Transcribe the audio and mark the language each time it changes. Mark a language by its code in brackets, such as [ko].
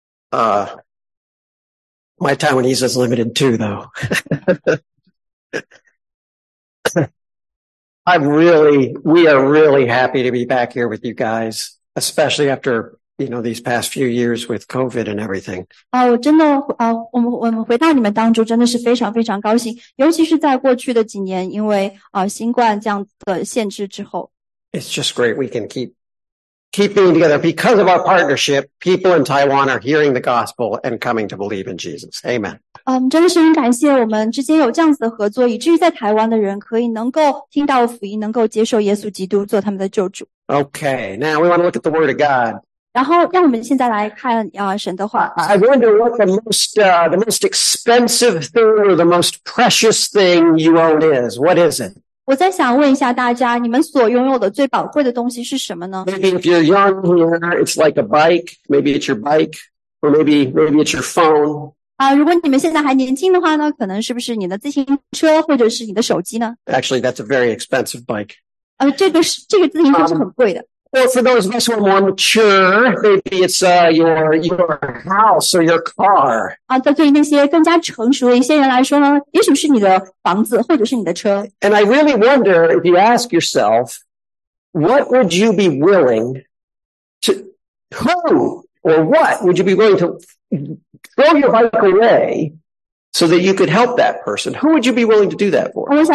[en] My Taiwanese is limited too, though. we are really happy to be back here with you guys, especially after, you know, these past few years with COVID and everything. [zh] Oh, 真的, 我们回到你们当中真的是非常非常高兴, 尤其是在过去的几年, 因为, 新冠这样的限制之后。 [en] It's just great we can keep being together. Because of our partnership, people in Taiwan are hearing the gospel and coming to believe in Jesus. Amen. [zh] 真的是很感谢我们之间有这样子的合作, 以至于在台湾的人可以能够听到福音，能够接受耶稣基督做他们的救主。 [en] Okay, now we want to look at the Word of God. [zh] 然后让我们现在来看, 神的话。 [en] I wonder what the most expensive thing or the most precious thing you own is. What is it? [zh] 我在想问一下大家, 你们所拥有的最宝贵的东西是什么呢? [en] Maybe if you're young here, it's like a bike. Maybe it's your bike. Or maybe it's your phone. [zh] 如果你们现在还年轻的话呢, 可能是不是你的自行车, 或者是你的手机呢? [en] Actually, that's a very expensive bike. [zh] 这个自行车是很贵的。 [en] Well, for those of us who are more mature, maybe it's your house or your car. [zh] 对于那些更加成熟的一些人来说呢，也许是你的房子或者是你的车。 [en] And I really wonder if you ask yourself, what would you be willing to, who or what would you be willing to throw your bike away so that you could help that person? Who would you be willing to do that for?